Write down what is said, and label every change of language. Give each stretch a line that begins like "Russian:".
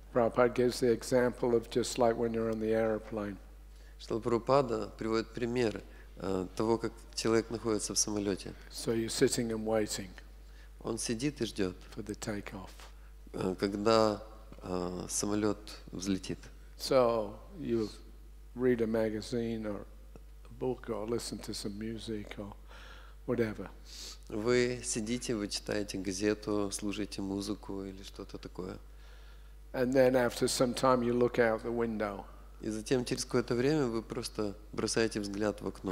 English: Prabhupada gives the example of just like when you're on the airplane.
Russian: Шрила Прабхупада приводит пример того, как человек находится в самолете.
English: So you're sitting and waiting.
Russian: Он сидит и ждет.
English: For the takeoff.
Russian: Когда самолет взлетит.
English: So you read a magazine or a book or listen to some music or whatever.
Russian: Вы сидите, вы читаете газету, слушаете музыку или что-то такое.
English: And then after some time you look out the window.
Russian: И затем через какое-то время вы просто бросаете взгляд в окно.